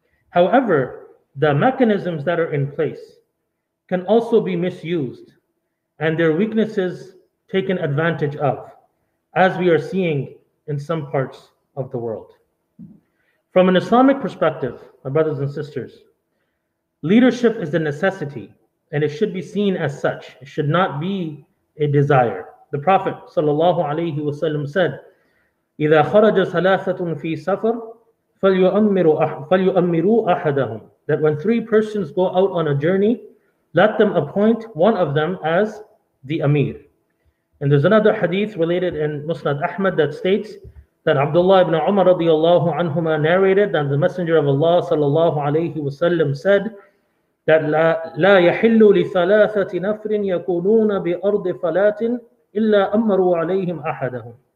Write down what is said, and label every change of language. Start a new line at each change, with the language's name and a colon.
English: However, the mechanisms that are in place can also be misused and their weaknesses taken advantage of, as we are seeing in some parts of the world. From an Islamic perspective, my brothers and sisters, leadership is a necessity, and it should be seen as such. It should not be a desire. The Prophet sallallahu alaihi wasallam said,
Arabic: "إذا خرج ثلاثة في سفر فليؤمروا أحدهم."
English: That when 3 persons go out on a journey, let them appoint one of them as the Amir. And there's another hadith related in Musnad Ahmad that states that Abdullah ibn Umar radiyallahu anhuma narrated that the Messenger of Allah sallallahu alaihi wasallam said, that
Arabic: لا يحل لثلاثة نفر يكونون بأرض فلات إلا أمروا عليهم أحدهم.